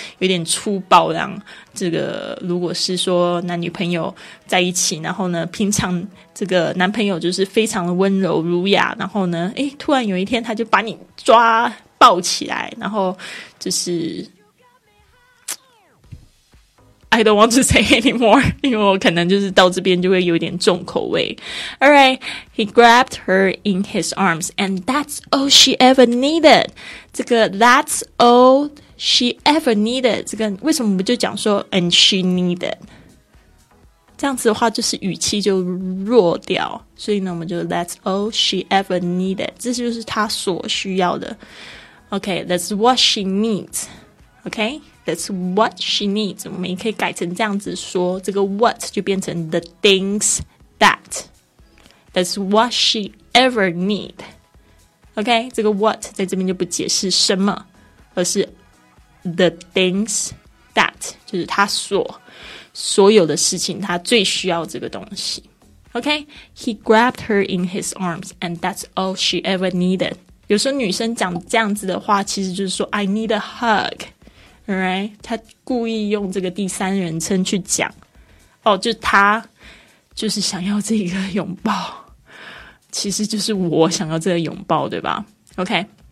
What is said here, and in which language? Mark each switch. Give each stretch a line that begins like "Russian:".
Chinese: 有点粗暴，让这个如果是说男女朋友在一起，然后呢平常这个男朋友就是非常的温柔儒雅，然后呢诶突然有一天他就把你抓抱起来，然后就是
English: I don't want to say anymore，
Chinese: 因为我可能就是到这边就会有点重口味。
English: Alright， he grabbed her in his arms and that's all she ever needed，
Chinese: 这个
English: that's all she ever needed，
Chinese: 这个为什么不就讲说
English: and she needed，
Chinese: 这样子的话就是语气就弱掉，所以呢我们就
English: that's all she ever needed，
Chinese: 这就是她所需要的。
English: OK， that's what she needs，
Chinese: OK，That's what she needs， 我们也可以改成这样子说，这个 what 就变成
English: the things that， That's what she ever need， OK，
Chinese: 这个 what 在这边就不解释什么，而是
English: the things that，
Chinese: 就是他所有的事情，他最需要这个东西。
English: OK， He grabbed her in his arms and that's all she ever needed，
Chinese: 有时候女生讲这样子的话其实就是说
English: I need a hug，Alright，
Chinese: 他故意用这个第三人称去讲，哦，就他就是想要这个拥抱，其实就是我想要这个拥抱，对吧 ？OK，